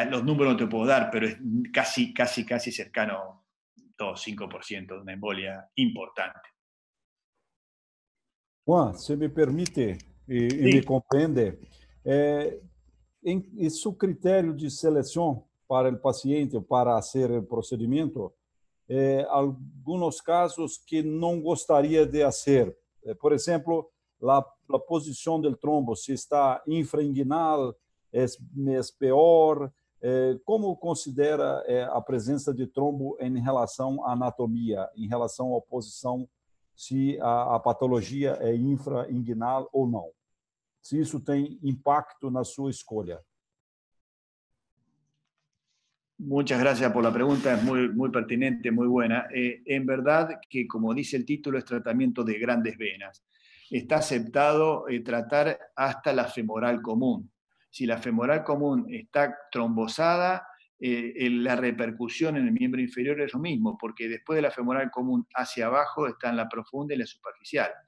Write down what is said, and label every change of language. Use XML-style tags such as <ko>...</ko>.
<es>Los números no te puedo dar, pero es casi, casi, casi cercano, 2-5% de una embolia importante.</es> <pt>Juan, se me permite e me compreende, em seu critério de seleção para o paciente, para fazer o procedimento, alguns casos que não gostaria de fazer, por exemplo, a posição do trombo, se está infra-inguinal, é pior, como considera a presença de trombo em relação à anatomia, em relação à posição, se a patologia é infra-inguinal ou não, se isso tem impacto na sua escolha.</pt> <es>Muchas gracias por la pregunta, es muy, muy pertinente, muy buena. En verdad que, como dice el título, es tratamiento de grandes venas. Está aceptado tratar hasta la femoral común. Si la femoral común está trombosada, la repercusión en el miembro inferior es lo mismo, porque después de la femoral común hacia abajo están la profunda y la superficial.</es>